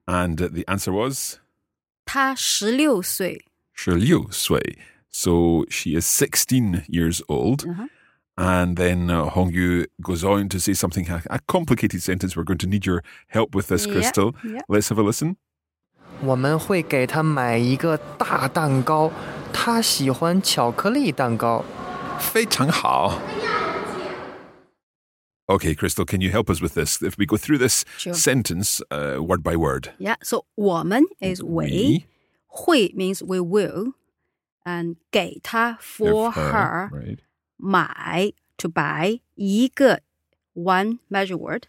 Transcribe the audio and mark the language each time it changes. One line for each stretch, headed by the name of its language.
English: And the answer was?
Chinese: 她十六岁.
English: So she is 16 years old. Uh-huh. And then Hong Yu goes on to say something, a complicated sentence. We're going to need your help with this, Crystal. Yeah, yeah. Let's have a listen.
Chinese: 我们会给她买一个大蛋糕, 她喜欢巧克力蛋糕. 非常好.
English: Okay, Crystal, can you help us with this? If we go through this sentence word by word. Yeah, so 我们 is we. 会 means we will. And 给他 for her. Right. 买 to buy. 一个 one measure word.